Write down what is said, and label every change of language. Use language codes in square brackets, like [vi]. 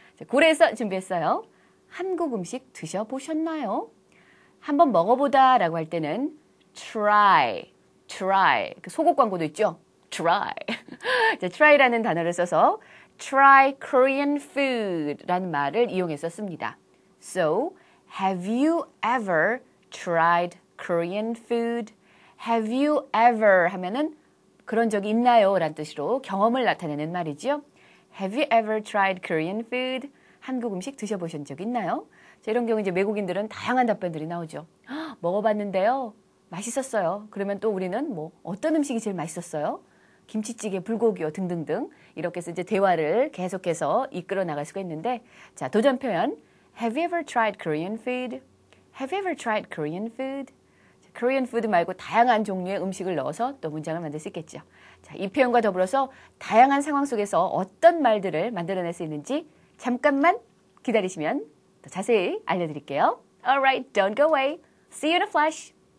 [ko] 자, 그래서 준비했어요. 한국 음식 드셔보셨나요? 한번 먹어보다라고 할 때는 try. 그 속옷 광고도 있죠? [en] try. [ko] 자, try라는 단어를 써서 [en] Try Korean food [ko] 라는 말을 이용해서 씁니다. [en] So, have you ever tried Korean food? Have you ever [ko] 하면은 그런 적이 있나요? 라는 뜻으로 경험을 나타내는 말이죠. [en] Have you ever tried Korean food? [ko] 한국 음식 드셔보신 적 있나요? 자, 이런 경우 이제 외국인들은 다양한 답변들이 나오죠. 먹어봤는데요. 맛있었어요. 그러면 또 우리는 뭐 어떤 음식이 제일 맛있었어요? 김치찌개, 불고기요, 등등등. 이렇게 해서 이제 대화를 계속해서 이끌어 나갈 수가 있는데, 자, 도전 표현. [en] Have you ever tried Korean food? Have you ever tried Korean food? [ko] Korean food 말고 다양한 종류의 음식을 넣어서 또 문장을 만들 수 있겠죠. 자, 이 표현과 더불어서 다양한 상황 속에서 어떤 말들을 만들어낼 수 있는지 잠깐만 기다리시면 더 자세히 알려드릴게요. [en] Alright, don't go away. See you in a flash.